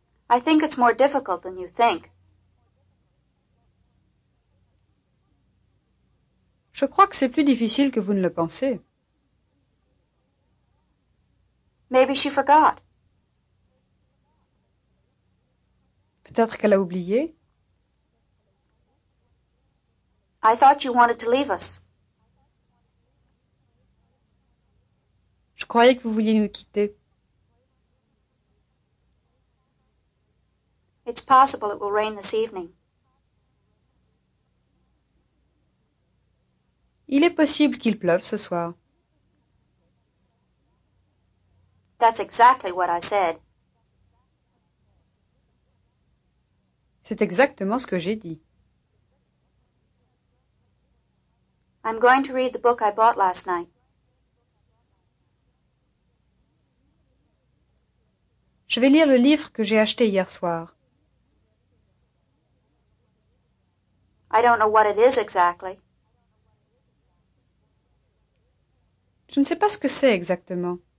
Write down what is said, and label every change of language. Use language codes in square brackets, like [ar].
[en] I think it's more difficult than you think. [fr] Je crois que c'est plus difficile que vous ne le pensez. [en] Maybe she forgot. [fr] Peut-être qu'elle a oublié. [en] I thought you wanted to leave us. [fr] Je croyais que vous vouliez nous quitter. [en] It's possible it will rain this evening. [fr] Il est possible qu'il pleuve ce soir. [en] That's exactly what I said. [fr] C'est exactement ce que j'ai dit. [en] I'm going to read the book I bought last night. [fr] Je vais lire le livre que j'ai acheté hier soir. [en] I don't know what it is exactly. [fr] Je ne sais pas ce que c'est exactement.